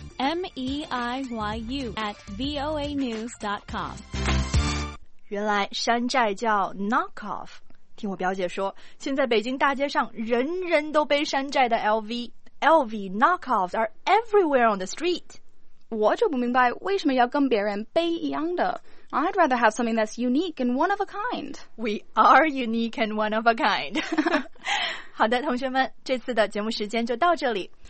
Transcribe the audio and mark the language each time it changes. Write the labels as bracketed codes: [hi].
[zh] meiyu@voanews.com。原来山寨叫 knockoff， 听我表姐说，现在北京大街上人人都背山寨的 LV， [en] LV knockoffs are everywhere on the street。 [zh] 我就不明白为什么要跟别人背一样的。 [en] I'd rather have something that's unique and one of a kind. We are unique and one of a kind. [zh] 好的，同学们，这次的节目时间就到这里。